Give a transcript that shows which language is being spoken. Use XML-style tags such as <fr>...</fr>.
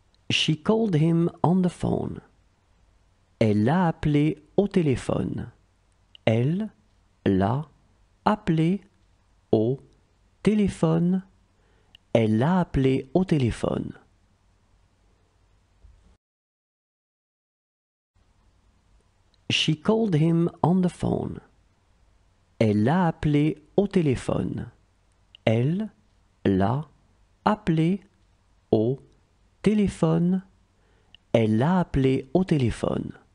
<en>She called him on the phone.</en> <fr>Elle l'a appelé au téléphone. Elle l'a appelé au téléphone. Elle l'a appelé au téléphone.</fr> <en>She called him on the phone.</en> <fr>Elle l'a appelé au téléphone. Elle l'a appelé au téléphone. Elle l'a appelé au téléphone.</fr>